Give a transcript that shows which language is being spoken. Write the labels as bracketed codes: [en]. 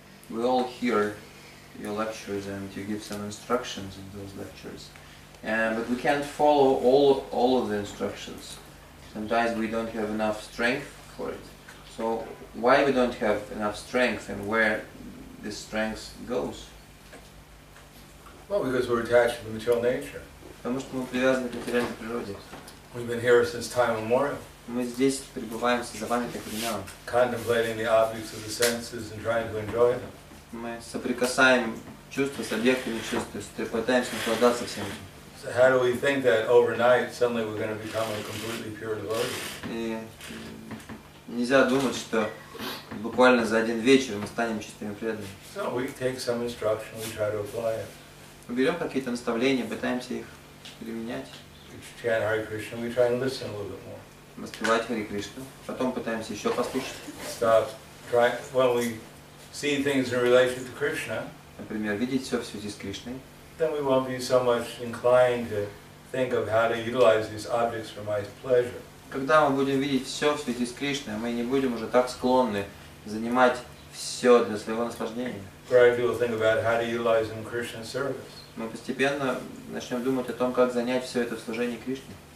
[en] We all hear your lectures and you give some instructions in those lectures, but we can't follow all of the instructions. Sometimes we don't have enough strength for it. So why we don't have enough strength and where this strength goes? Well, because we're attached to the material nature. [ru] Потому что мы привязаны к материальной природе. [en] We've been here since time immemorial. [ru] Мы здесь пребываем с забавными временами. [en] Contemplating the objects of the senses and trying to enjoy them. [ru] Мы соприкасаем чувства с объектами чувств, то есть пытаемся наслаждаться всем. [en] So how do we think that overnight suddenly we're going to become a completely pure devotee? [ru] И нельзя думать, что буквально за один вечер мы станем чистыми преданными. [en] So we take some instruction, we try to apply it. [ru] Мы берем какие-то наставления, пытаемся их применять. [en] If we chant Hare Krishna, we try and listen a little bit more. [ru] Воспевать Хари Кришну, потом пытаемся еще послушать. [en] Stop. Try. When we see things in relation to Krishna. [ru] Например, видеть все в связи с Кришной. [en] Then we won't be so much inclined to think of how to utilize these objects for my pleasure. [ru] Когда мы будем видеть все в связи с Кришной, мы не будем уже так склонны занимать все для своего наслаждения. [en] Gradually think about how to utilize in Krishna's service. [ru] Мы постепенно начнем думать о том, как занять все это в служении Кришне.